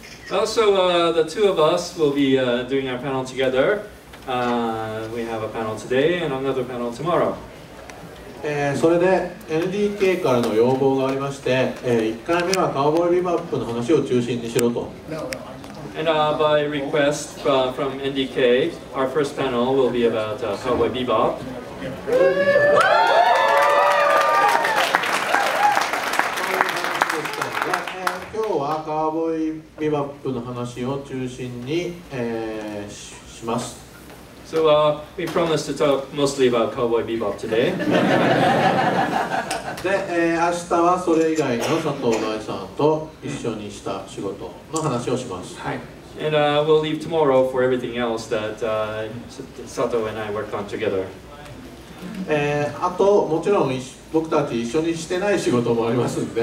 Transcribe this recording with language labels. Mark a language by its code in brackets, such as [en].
[en] Also, the two of us will be doing our panel together. We have a panel today and another panel tomorrow. [ja] それで NDK からの要望がありまして、1回目はカウボーイビバップの話を中心にしろと。 [en] And by request from NDK, our first panel will be about Cowboy Bebop. [ja] カーボーイビバップの話を中心に、します。 [en] So, we promise to talk mostly about Cowboy Bebop today. [ja] で、明日はそれ以外の佐藤大さんと一緒にした仕事の話をします。 [en] はい。And we'll leave tomorrow for everything else that Sato and I worked on together. [ja] あと、もちろん僕たち一緒にしてない仕事もありますんで、